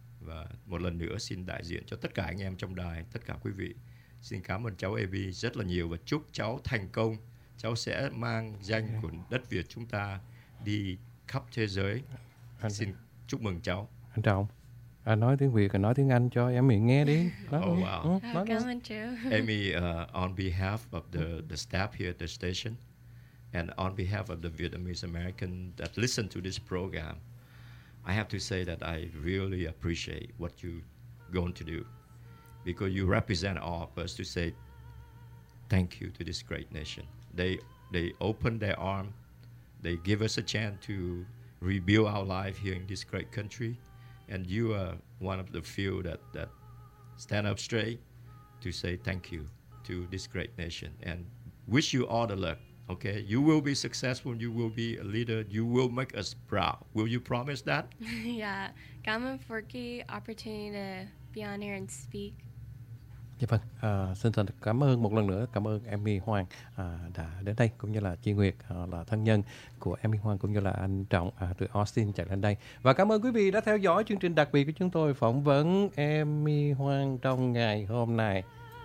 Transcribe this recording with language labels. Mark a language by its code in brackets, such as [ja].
[vi] Và một lần nữa xin đại diện cho tất cả anh em trong đài, tất cả quý vị, xin cảm ơn cháu Amy rất là nhiều và chúc cháu thành công cháu sẽ mang danh của đất Việt chúng ta đi khắp thế giới. Anh xin chúc mừng cháu. Anh Trọng, anh nói tiếng Việt, anh nói tiếng Anh cho em Mỹ nghe đi. [en] Oh, wow. [vi] Cảm ơn chú. [en] Amy, on behalf of the staff here at the station, and on behalf of the Vietnamese American that listen to this program, I have to say that I really appreciate what you're going to do, because you represent all of us to say thank you to this great nation. They opened their arm, they give us a chance to rebuild our life here in this great country, and you are one of the few that stand up straight to say thank you to this great nation, and wish you all the luck. Okay, you will be successful, you will be a leader, you will make us proud. Will you promise that? Yeah, [vi] cảm ơn [en] for the opportunity to be on here and speak. [vi] Dạ vâng, xin thành cảm ơn một lần nữa, cảm ơn Amy Hoàng đã đến đây, cũng như là Chi Nguyệt là thân nhân của Amy Hoàng, cũng như là anh Trọng từ Austin chạy lên đây. Và cảm ơn quý vị đã theo dõi chương trình đặc biệt của chúng tôi, phỏng vấn Amy Hoàng trong ngày hôm nay.